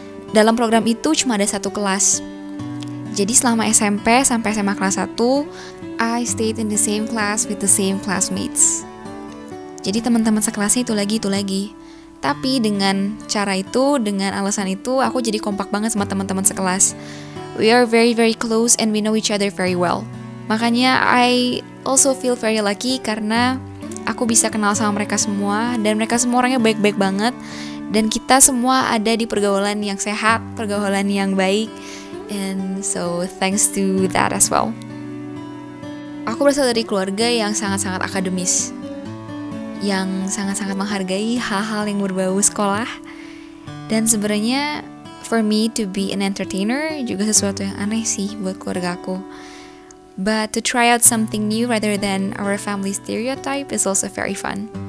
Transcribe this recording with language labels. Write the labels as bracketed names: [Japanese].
[Indonesian] Dalam program itu cuma ada satu kelas. Jadi selama SMP sampai SMA kelas 1, [English] I stayed in the same class with the same classmates. [Indonesian] Jadi teman-teman sekelasnya itu lagi. Tapi dengan cara itu, dengan alasan itu, aku jadi kompak banget sama teman-teman sekelas. [English] We are very very close and we know each other very well. [Indonesian] Makanya [English] I also feel very lucky [Indonesian] karena aku bisa kenal sama mereka semua, dan mereka semua orangnya baik-baik banget, dan kita semua ada di pergaulan yang sehat, pergaulan yang baik, [English] and so thanks to that as well. [Indonesian] Aku berasal dari keluarga yang sangat-sangat akademis, yang sangat-sangat menghargai hal-hal yang berbau sekolah, dan sebenarnya [English] for me to be an entertainer [Indonesian] juga sesuatu yang aneh sih buat keluargaku. [English] But to try out something new rather than our family stereotype is also very fun.